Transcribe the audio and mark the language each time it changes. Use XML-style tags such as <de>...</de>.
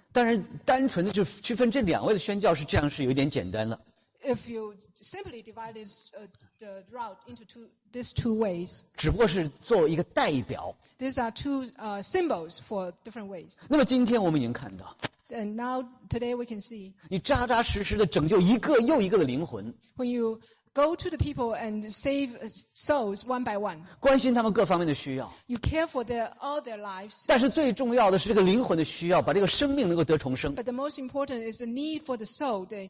<zh>当然，单纯的就区分这两位的宣教是这样是有点简单了。</zh> <en>if you simply divide this, the route into two, these two ways,</en> <zh>只不过是做一个代表。</zh> <en>These are two symbols for different ways.</en> <zh>那么今天我们已经看到。</zh> <en>And now today we can see.</en> <zh>你扎扎实实的拯救一个又一个的灵魂。</zh> <en>When you go to the people and save souls one by one.</en> <zh>关心他们各方面的需要。</zh> <en>You care for their, all their lives.</en> <zh>但是最重要的是这个灵魂的需要，把这个生命能够得重生。</zh> <en>But the most important is the need for the soul.</en>